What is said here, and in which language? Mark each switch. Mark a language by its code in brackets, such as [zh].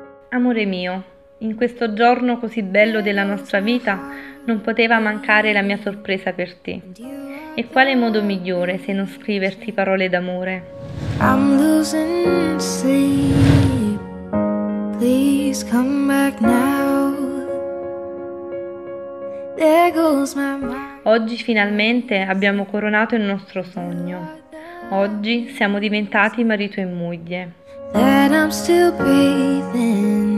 [it] Amore mio, in questo giorno così bello della nostra vita non poteva mancare la mia sorpresa per te. E quale modo migliore se non scriverti parole d'amore? [en] I'm losing sleep, please come back now. There goes my mind. [it] Oggi finalmente abbiamo coronato il nostro sogno. Oggi siamo diventati marito e moglie. [en] That I'm still breathing.